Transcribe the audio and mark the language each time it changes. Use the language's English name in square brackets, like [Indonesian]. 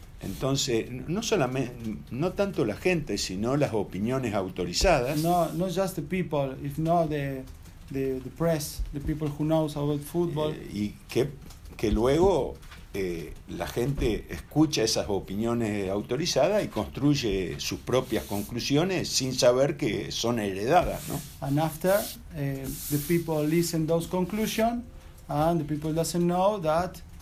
[Spanish] Entonces, no solamente, no tanto la gente, sino las opiniones autorizadas. [English] No, not just the people, if not the press, the people who knows about football. [Spanish] Y que luego la gente escucha esas opiniones autorizadas y construye sus propias conclusiones sin saber que son heredadas, ¿no? [English] And after the people listen those conclusions, and the people doesn't know that.